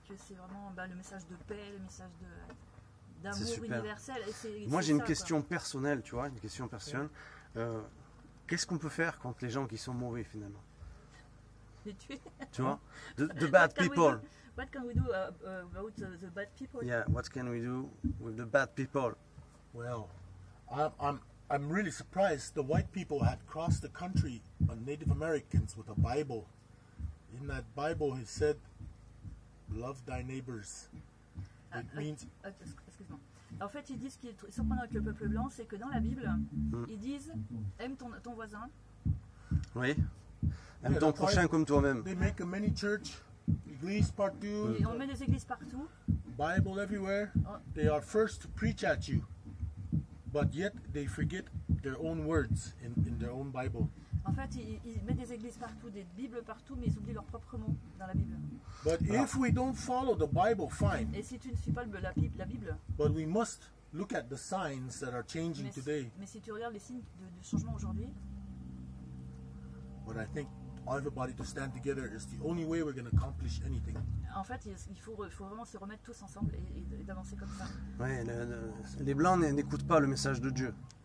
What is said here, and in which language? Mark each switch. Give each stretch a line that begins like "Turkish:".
French: Que c'est vraiment le message de paix, le message de. D'amour c'est super. Universel. Moi, j'ai une question personnelle, tu vois, une question personnelle. Ouais. Qu'est-ce qu'on peut faire contre les gens qui sont mauvais, finalement? Les tuer. Tu vois?
English: The bad people. What can we do about the bad people? Yeah, what can we do with the bad people? Well, I'm really surprised the white people had crossed the country on Native Americans with a Bible. In that Bible, he said, love thy neighbors.
French: Excuse-moi. En fait, ils disent ce qui est surprenant avec le peuple blanc, c'est que dans la Bible, ils disent, aime ton voisin. Oui. Aime ton prochain comme toi-même.
English: They make many church,
French: église partout. On met des églises partout.
English: Bible everywhere. They are first to preach at you, but yet they forget their own words in their own Bible.
French: En fait, ils mettent des églises partout, des Bibles partout, mais ils oublient leurs propres mots dans la Bible.
English: But if we don't follow the Bible, fine.
French: Et si tu ne suis pas la Bible.
English: But we must look at the signs that are changing today.
French: Mais si tu regardes les signes de changement aujourd'hui.
English: But I think everybody to stand together is the only way we're going to accomplish anything.
French: En fait, il faut vraiment se remettre tous ensemble et d'avancer comme ça. Oui, les blancs n'écoutent pas le message de Dieu.